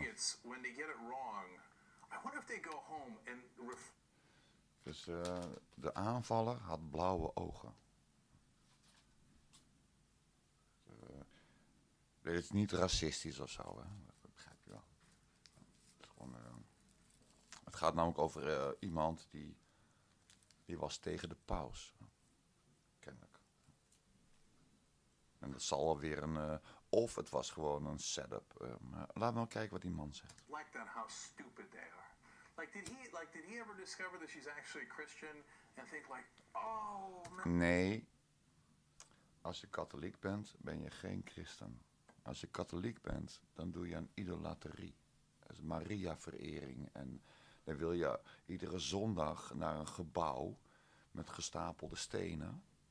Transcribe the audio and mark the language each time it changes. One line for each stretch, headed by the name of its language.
English: Bigots, when they get it wrong, I wonder if they go home and...
Dutch: Dus de aanvaller had blauwe ogen. Dit is niet racistisch of zo, hè? Dat begrijp je wel. Het gaat namelijk over iemand die was tegen de paus. Kennelijk. En dat zal alweer een... of het was gewoon een setup. Laten we wel kijken wat die man zegt.
English: Like that, how stupid they are. Did he ever discover that she's actually Christian and think like, oh man.
Dutch: Nee. Als je katholiek bent, ben je geen christen. Als je katholiek bent, dan doe je een idolaterie. Dat is Maria-verering. En dan wil je iedere zondag naar een gebouw met gestapelde stenen.